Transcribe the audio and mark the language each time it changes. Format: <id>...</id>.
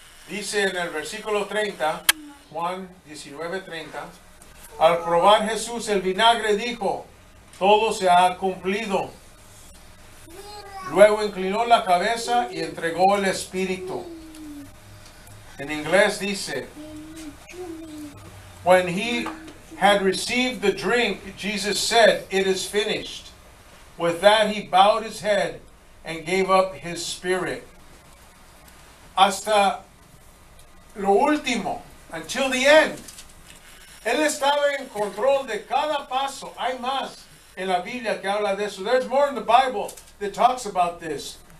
<es>Dice en el versículo 30, Juan 19:30, al probar Jesús el vinagre dijo, todo se ha cumplido. Luego inclinó la cabeza y entregó el espíritu. En inglés dice,</es> <en>when he had received the drink, Jesus said, it is finished. With that he bowed his head and gave up his spirit.</en> <es>Hasta lo último,</es> <en>until the end.</en> <es>Él estaba en control de cada paso. Hay más en la Biblia que habla de eso.</es> <en>There's more in the Bible that talks about this.</en>